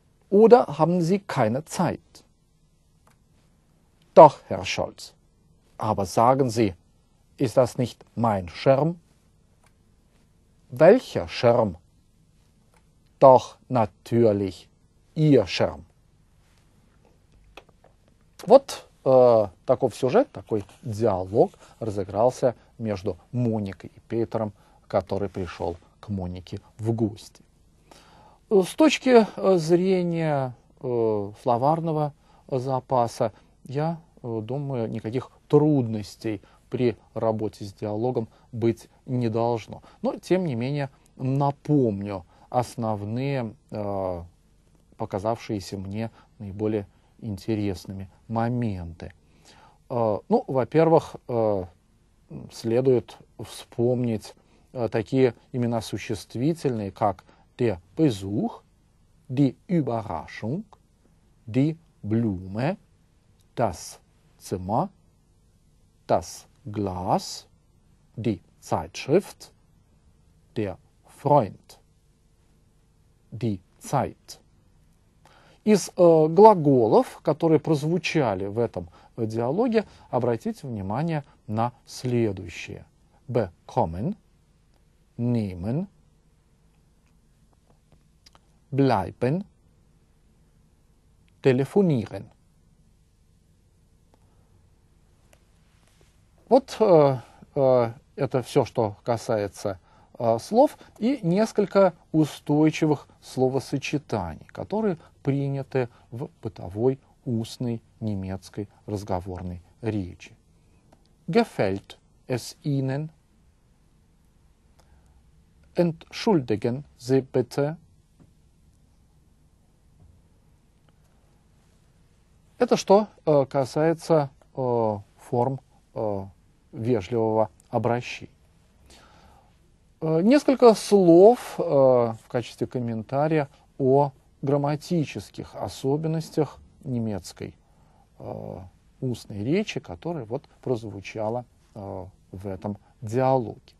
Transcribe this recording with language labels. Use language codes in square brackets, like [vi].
[de] Oder haben Sie keine Zeit? Doch, Herr Scholz. Aber sagen Sie, ist das nicht mein Schirm? Welcher Schirm? Doch, natürlich, Ihr Schirm. [ru] Вот такой сюжет, такой диалог разыгрался между Моникой и Петром, который пришел к Монике в гости. С точки зрения словарного запаса, я думаю, никаких трудностей при работе с диалогом быть не должно. Но, тем не менее, напомню основные, показавшиеся мне наиболее интересными моменты. Ну, во-первых, следует вспомнить такие имена существительные, как [de] der Besuch, die Überraschung, die Blume, das Zimmer, das Glas, die Zeitschrift, der Freund, die Zeit. [ru] Из глаголов, которые прозвучали в этом диалоге, обратите внимание на следующие. [de] Bekommen, nehmen, bleiben, telefonieren. [ru] Вот это все, что касается слов, и несколько устойчивых словосочетаний, которые приняты в бытовой устной немецкой разговорной речи. [de] Gefällt es Ihnen? Entschuldigen Sie bitte. [ru] Это что касается форм вежливого обращения. Несколько слов в качестве комментария о грамматических особенностях немецкой устной речи, которая вот прозвучала в этом диалоге.